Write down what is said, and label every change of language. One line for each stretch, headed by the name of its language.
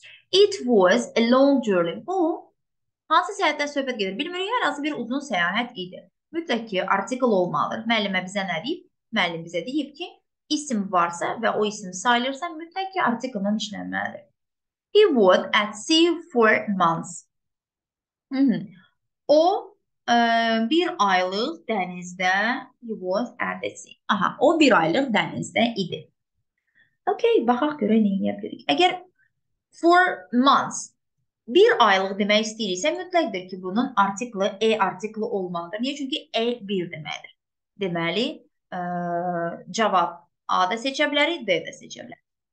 English: It was a long journey.
Azerbaijani: Bu, hansı səyahətdən söhbət gedir? Bilmirik, hər hansı bir uzun səyahət idi. Mütləq ki, artikl olmalıdır. Müəllimə bizə nə deyib? Müəllim bizə deyib ki, isim varsa və o isim sayılırsa, mütləq ki, artiklın işlənməlidir.
English: He was at sea for months.
Azerbaijani: O, bir aylık dənizdə,
English: he was at the sea.
Azerbaijani: Aha, o bir aylık dənizdə idi. Okey, baxaq görə nə edə bilərik. Əgər
English: for months,
Azerbaijani: bir aylık demək istəyiriksə, mütləqdir ki, bunun artiklı, e artiklı olmalıdır. Niyə? Çünki e bir deməkdir. Deməli, cavab A da seçə bilərik, D da seçə bilərik.